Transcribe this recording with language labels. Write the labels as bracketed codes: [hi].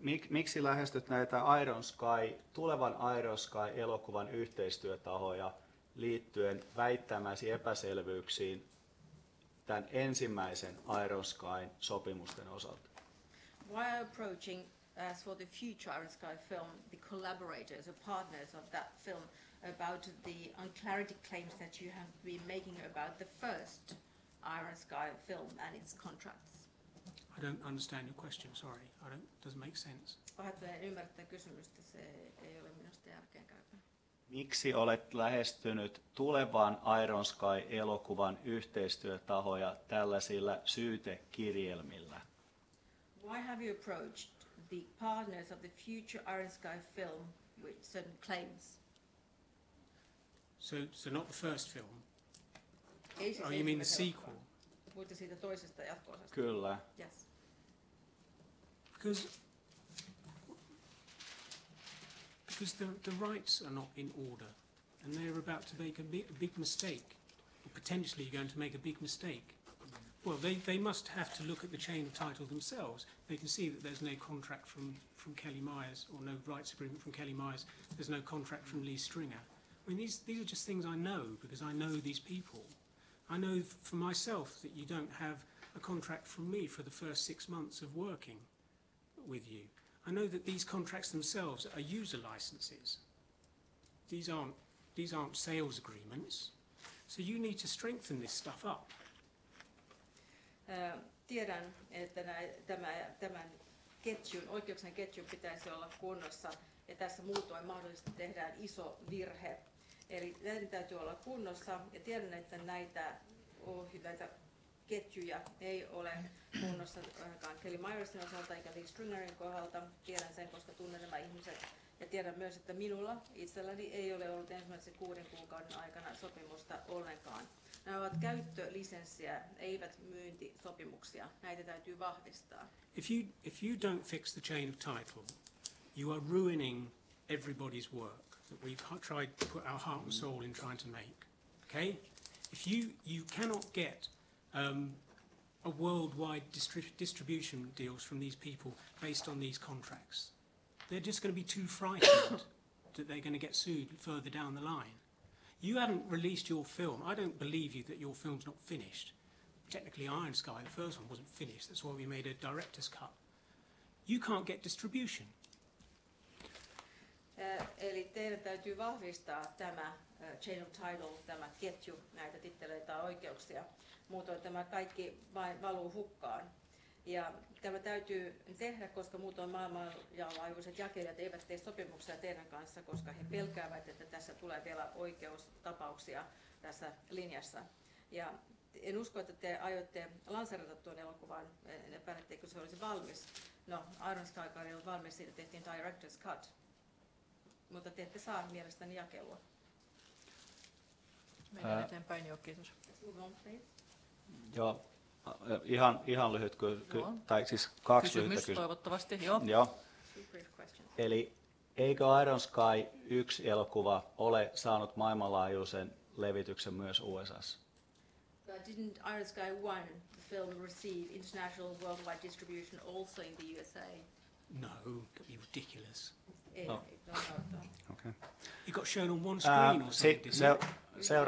[fi] Miksi lähestyt näitä Iron Sky, tulevan Iron Sky -elokuvan yhteistyötahoja liittyen väittämäsi epäselvyyksiin tämän ensimmäisen Aeroskyn sopimusten osalta? [en] Why are approaching as for the future Aeroskyn film the collaborators or partners of that film about the unclarity claims that you have been making about the first Aeroskyn film and its contracts? I don't understand your question, sorry. Doesn't make sense. [fi] Vaatteen ymmärtää kysymystä, se ei ole minusta järkeen käypä. Miksi olet lähestynyt tulevan Aeroskyn-elokuvan yhteistyötahoja tällaisilla syytekirjelmillä? [en] Why have you approached the partners of the future Aeroskyn film with certain claims? So not the first film. [fi] Ei se, [en] oh, you mean the sequel? [fi] Mutta siitä toisesta jatko-osasta. Kyllä. [en] Yes. Because the rights are not in order, and they are about to make a big mistake, or potentially you're going to make a big mistake. Well, they must have to look at the chain of title themselves. They can see that there's no contract from Kelly Myers, or no rights agreement from Kelly Myers. There's no contract from Lee Stringer. I mean, these are just things I know, because I know these people. I know for myself that you don't have a contract from me for the first 6 months of working with you. I know that these contracts themselves are user licenses. These aren't sales agreements. So you need to strengthen this stuff up. [fi] Tiedän, että tämän ketjun, oikeuksien ketjun pitäisi olla kunnossa, ja tässä muutoin mahdollisesti tehdään iso virhe. Eli näiden täytyy olla kunnossa, ja tiedän, että näitä ketjuja ei ole kunnossa ainakaan Kelly Myersin osalta eikä Lee Stringerin kohdalta. Tiedän sen, koska tunnen nämä ihmiset. Ja tiedän myös, että minulla itselläni ei ole ollut ensimmäisen 6 kuukauden aikana sopimusta ollenkaan. Nämä ovat käyttölisenssiä, eivät myyntisopimuksia. Näitä täytyy vahvistaa. [en] If you don't fix the chain of title, you are ruining everybody's work that we've tried to put our heart and soul in trying to make. Okay? If you cannot get a worldwide distribution deals from these people based on these contracts, they're just going to be too frightened that they're going to get sued further down the line. You haven't released your film. I don't believe you that your film's not finished. Technically, Aeroskyn, the first one, wasn't finished. That's why we made a director's cut. You can't get distribution. [fi] Eli teidän täytyy vahvistaa tämä [en] chain of title, [fi] tämä ketju, näitä titteleitä ja oikeuksia. Muutoin tämä kaikki vain valuu hukkaan. Ja tämä täytyy tehdä, koska muutoin maailmanlaajuiset jakelijat eivät tee sopimuksia teidän kanssa, koska he pelkäävät, että tässä tulee vielä oikeustapauksia tässä linjassa. Ja en usko, että te aiotte lanseerata tuon elokuvan, en epäile, etteikö se olisi valmis. No, Aeroskyn ei ollut valmis, siitä tehtiin director's cut. Mutta te ette saa mielestäni jakelua. Mennään eteenpäin, joo, kiitos. Joo. Ihan lyhyt, tai siis kaksi kysymys, lyhyttä kysymystä. Toivottavasti, joo. Joo. Eli eikö Aeroskyn yksi elokuva ole saanut maailmanlaajuisen levityksen myös USA:ssa? [en] Didn't Aeroskyn 1, the film, receive international worldwide distribution also in the USA? No, that'd be ridiculous. [fi] Ei, [en] okay. It got shown on one screen or something, didn't it?